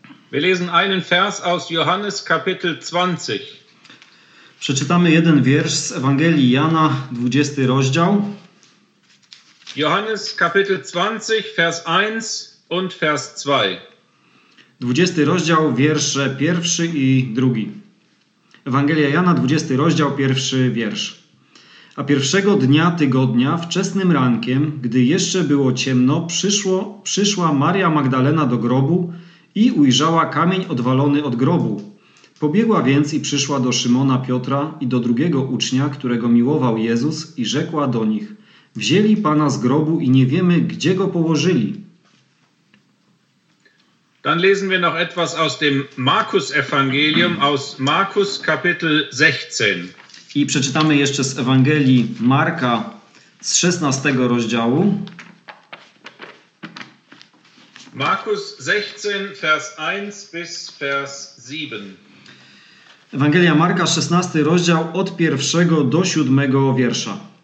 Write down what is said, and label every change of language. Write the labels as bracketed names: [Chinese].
[German] Wir lesen einen Vers aus Johannes Kapitel 20. [Polish] Przeczytamy jeden wiersz z Ewangelii Jana, 20 rozdział. [German] Johannes Kapitel 20, Vers 1 und Vers 2. [Polish] 20 rozdział, wiersze pierwszy i drugi. Ewangelia Jana, 20 rozdział, pierwszy wiersz. A pierwszego dnia tygodnia, wczesnym rankiem, gdy jeszcze było ciemno, przyszła Maria Magdalena do grobu i ujrzała kamień odwalony od grobu. Pobiegła więc i przyszła do Szymona Piotra i do drugiego ucznia, którego miłował Jezus, i rzekła do nich: wzięli Pana z grobu i nie wiemy, gdzie go położyli. [German] Dann lesen wir noch etwas aus dem Markus-Evangelium, aus Markus Kapitel 16. [Polish] I przeczytamy jeszcze z Ewangelii Marka z 16 rozdziału. [German] Markus 16, Vers 1 bis Vers 7. [Polish] Ewangelia Marka, 16 rozdział, od 1 do 7 wiersza.